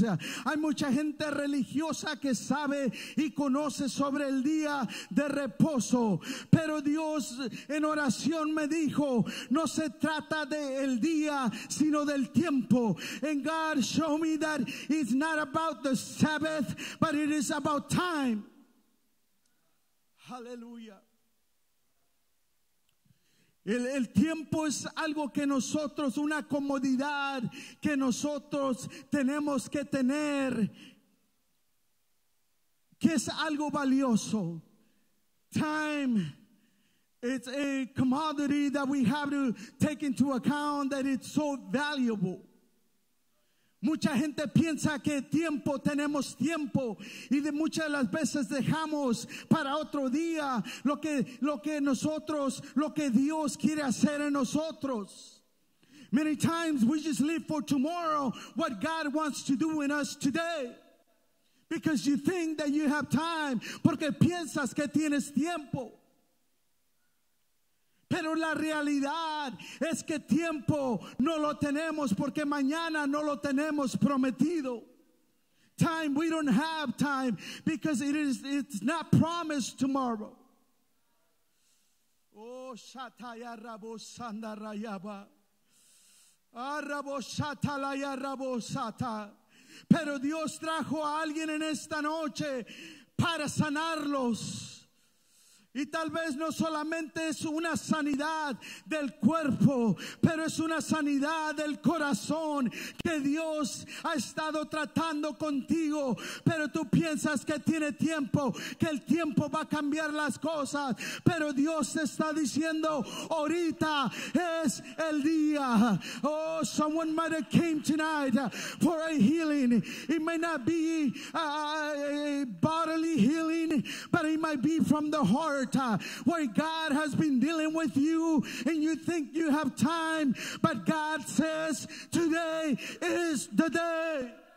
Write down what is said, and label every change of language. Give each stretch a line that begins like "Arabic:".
Spanish: Hay mucha gente religiosa que sabe y conoce sobre el día de reposo, pero Dios en oración me dijo, no se trata del día, sino del tiempo.
English: And God showed me that it's not about the Sabbath, but it is about time. Hallelujah.
Spanish: El tiempo es algo que nosotros, una comodidad que nosotros tenemos que tener, que es algo valioso.
English: Time. It's a commodity that we have to take into account, that it's so valuable.
Spanish: Mucha gente piensa que tiempo, tenemos tiempo, y de muchas de las veces dejamos para otro día lo que Dios quiere hacer en nosotros.
English: Many times we just live for tomorrow, what God wants to do in us today. Because you think that you have time.
Spanish: Porque piensas que tienes tiempo. Pero la realidad es que tiempo no lo tenemos porque mañana no lo tenemos prometido.
English: Time, we don't have time because it's not promised tomorrow. Oh, shataya rabo sanda rayaba. Arrabo shatala ya rabo sata.
Spanish: Pero Dios trajo a alguien en esta noche para sanarlos. Y tal vez no solamente es una sanidad del cuerpo, pero es una sanidad del corazón que Dios ha estado tratando contigo. Pero tú piensas que tiene tiempo, que el tiempo va a cambiar las cosas. Pero Dios te está diciendo, ahorita es el día.
English: Oh, someone might have came tonight for a healing. It may not be bodily healing, but it might be from the heart. Where God has been dealing with you and you think you have time, but God says today is the day.